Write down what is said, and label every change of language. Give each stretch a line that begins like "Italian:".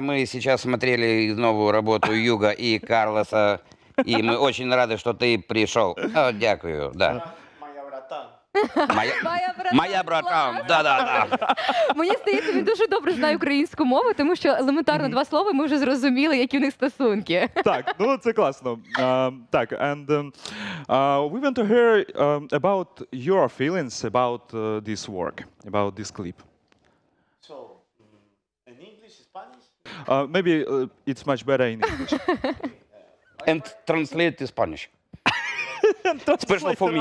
Russian: Мы сейчас смотрели новую работу Юга и Карлоса.
Ukrainian: І ми дуже раді, що ти прийшов. О, дякую, так. Моя братан.
Russian: Моя братан, да-да-да.
Ukrainian: Мені здається, він дуже добре знає українську мову, тому що елементарно два слова ми вже зрозуміли, які в них стосунки. Так, ну це класно. Так,
English: and we want to hear about your feelings about this work, about this clip. So, in English, Spanish? Maybe it's much better in English. And translate to Spanish. Special for me.